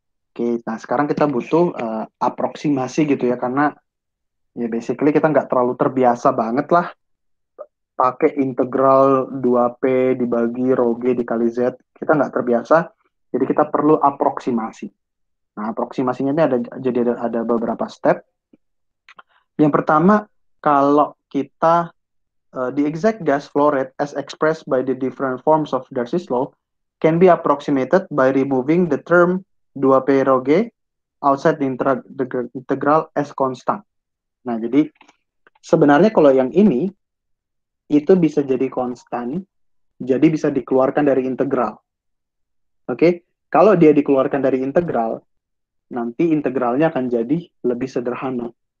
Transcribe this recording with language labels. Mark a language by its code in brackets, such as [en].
[id] Oke, nah sekarang kita butuh aproksimasi gitu ya, karena ya basically kita nggak terlalu terbiasa banget lah pakai integral 2P dibagi rho G dikali Z. Kita nggak terbiasa, jadi kita perlu aproksimasi. Nah, aproksimasinya ini ada beberapa step. Yang pertama, kalau kita [en] the exact gas flow rate as expressed by the different forms of Darcy's law can be approximated by removing the term 2P rho G outside the integral as constant. [id] Nah, jadi sebenarnya kalau yang ini, itu bisa jadi konstan jadi bisa dikeluarkan dari integral. Oke, kalau dia dikeluarkan dari integral, nanti integralnya akan jadi lebih sederhana.